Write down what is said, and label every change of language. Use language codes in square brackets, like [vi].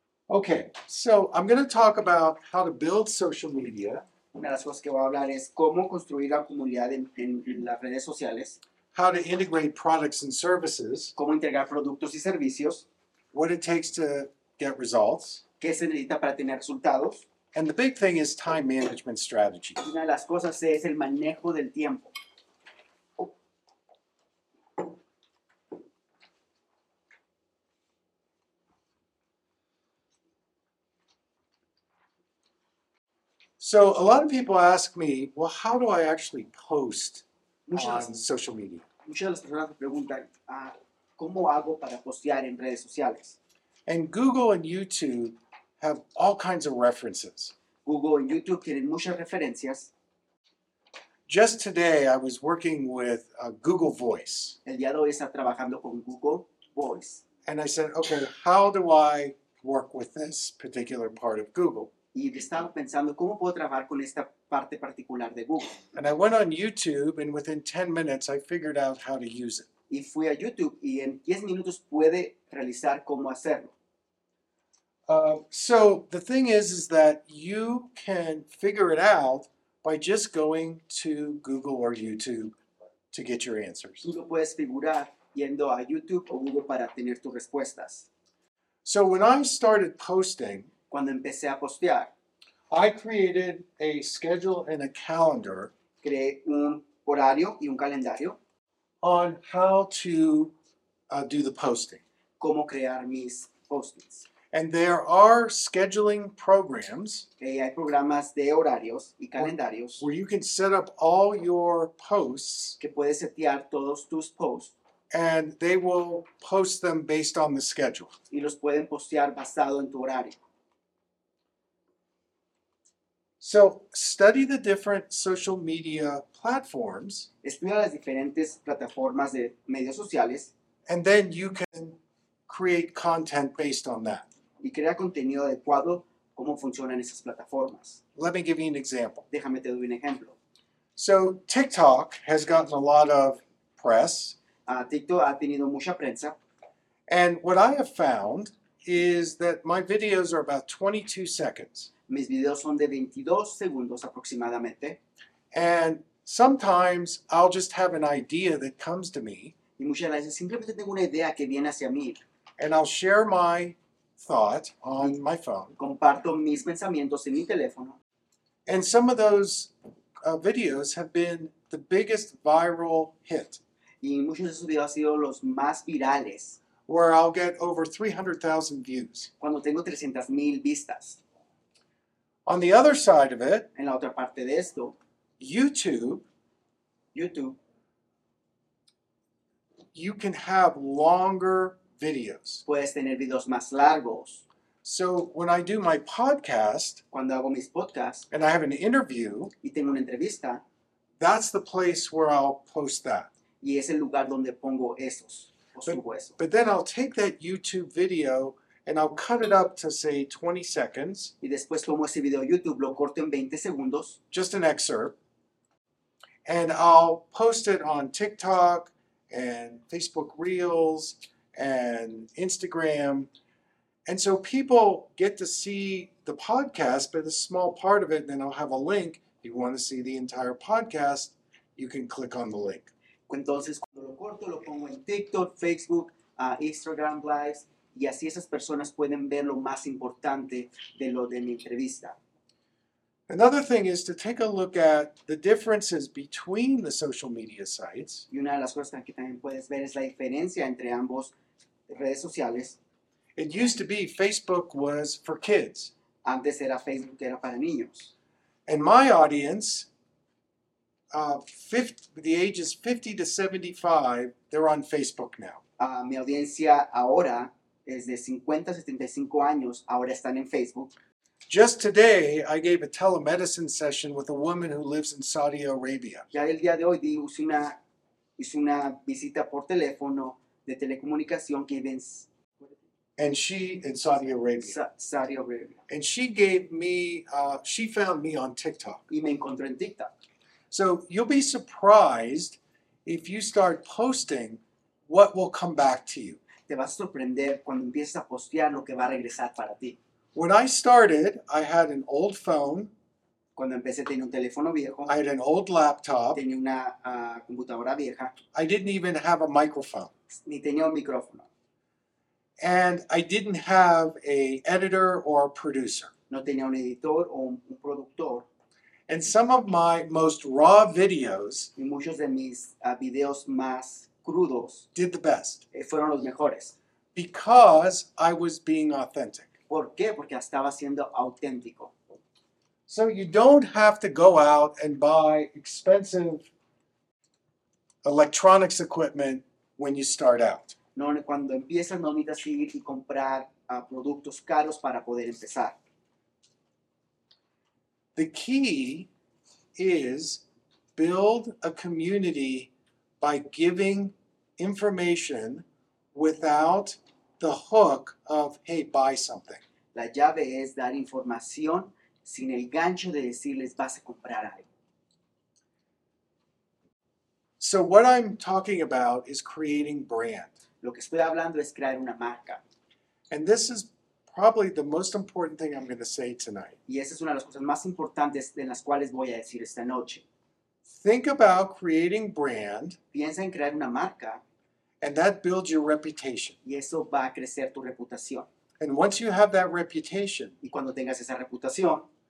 [en] Okay, so I'm going to talk about how to build social media. [es] Una de las cosas que voy a hablar es cómo construir la comunidad en las redes sociales. [en] How to integrate products and services. [es] Cómo integrar productos y servicios. [en] What it takes to get results. [es] Qué se necesita para tener resultados. [en] And the big thing is time management strategy. [es] Una de las cosas es el manejo del tiempo. [en] So a lot of people ask me, well, how do I actually post on social media? [es] Muchas de las personas me preguntan, ¿cómo hago para postear en redes sociales? [en] And Google and YouTube have all kinds of references. [es] Google and YouTube tienen muchas referencias. [en] Just today, I was working with Google Voice. [es] El día de hoy está trabajando con Google Voice. [en] And I said, okay, how do I work with this particular part of Google? [es] Y estaba pensando, ¿cómo puedo trabajar con esta parte particular de Google? [en] And I went on YouTube, and within 10 minutes, I figured out how to use it. [es] Y fui a YouTube, y en 10 minutos pude realizar cómo hacerlo. [en] So the thing is that you can figure it out by just going to Google or YouTube to get your answers. [es] Tú lo puedes figurar yendo a YouTube o Google para tener tus respuestas. [en] So when I started posting, [es] cuando empecé a postear, [en] I created a schedule and a calendar. [es] Creé un horario y un calendario. [en] On how to do the posting. [es] Cómo crear mis postings. [en] And there are scheduling programs. [es] Hay programas de horarios y calendarios. [en] Where you can set up all your posts. [es] Que puedes setear todos tus posts. [en] And they will post them based on the schedule. [es] Y los pueden postear basado en tu horario. [en] So study the different social media platforms. [es] Estudia las diferentes plataformas de medios sociales. [en] And then you can create content based on that. [es] Y crea contenido adecuado cómo funcionan esas plataformas. [en] Let me give you an example. [es] Déjame te doy un ejemplo. [en] So TikTok has gotten a lot of press. [es] TikTok ha tenido mucha prensa. [en] And what I have found is that my videos are about 22 seconds. [es] Mis videos son de 22 segundos aproximadamente. [en] And sometimes I'll just have an idea that comes to me. [es] Y muchas veces simplemente tengo una idea que viene hacia mí. [en] And I'll share my thought on my phone. [es] Comparto mis pensamientos en mi teléfono. [en] And some of those videos have been the biggest viral hit. [es] Y muchos de esos videos han sido los más virales. [en] Where I'll get over 300,000 views. [es] Cuando tengo 300,000 vistas. [en] On the other side of it, [es] en la otra parte de esto, [en] YouTube, you can have longer videos. [es] Puedes tener videos más largos. [en] So when I do my podcast, [es] cuando hago mis podcasts, [en] and I have an interview, [es] y tengo una entrevista, [en] that's the place where I'll post that. [es] Y es el lugar donde pongo esos, o subo eso. [en] But then I'll take that YouTube video and I'll cut it up to say 20 seconds. [es] Y después tomo ese video YouTube, lo corto en 20 segundos. [en] Just an excerpt. And I'll post it on TikTok and Facebook Reels and Instagram. And so people get to see the podcast, but a small part of it, and then I'll have a link. If you want to see the entire podcast, you can click on the link. [es] Entonces, cuando lo corto, lo pongo en TikTok, Facebook, Instagram Lives. Y así esas personas pueden ver lo más importante de lo de mi entrevista. [en] Another thing is to take a look at the differences between the social media sites. [es] Y una de las cosas que también puedes ver es la diferencia entre ambos redes sociales. [en] It used to be Facebook was for kids. [es] Antes era Facebook, era para niños. [en] And my audience, the ages 50 to 75, they're on Facebook now. [es] Mi audiencia ahora es de 50 a 75 años, ahora están en Facebook. [en] Just today, I gave a telemedicine session with a woman who lives in Saudi Arabia. [es] Ya el día de hoy hice una visita por teléfono de telecomunicación que vive [en] in Saudi Arabia. [es] Saudi Arabia. [en] And she gave me, she found me on TikTok. [es] Y me encontró en TikTok. [en] So you'll be surprised if you start posting what will come back to you. [es] Te vas a sorprender cuando empieces a postear lo que va a regresar para ti. [en] When I started, I had an old phone. [es] Cuando empecé tenía un teléfono viejo. [en] I had an old laptop. [es] Tenía una computadora vieja. [en] I didn't even have a microphone. [es] Ni tenía un micrófono. [en] And I didn't have an editor or a producer. [es] No tenía un editor o un productor. [en] And some of my most raw videos. [es] Y muchos de mis videos más crudos. [en] Did the best. [es] Fueron los mejores. [en] Because I was being authentic. [es] ¿Por qué? Porque estaba siendo auténtico. [en] So you don't have to go out and buy expensive electronics equipment when you start out. [es] No, cuando empiezas no necesitas ir y comprar productos caros para poder empezar. [en] The key is build a community by giving information without the hook of, hey, buy something. [es] La llave es dar información sin el gancho de decirles vas a comprar algo. [en] So what I'm talking about is creating brand. [es] Lo que estoy hablando es crear una marca. [en] And this is probably the most important thing I'm going to say tonight. [es] Y esa es una de las cosas más importantes en las cuales voy a decir esta noche. [en] Think about creating brand. [es] Piensa en crear una marca. [en] And that builds your reputation. [es] Y eso va a crecer tu reputación. [en] And once you have that reputation, [es] y cuando tengas esa reputación,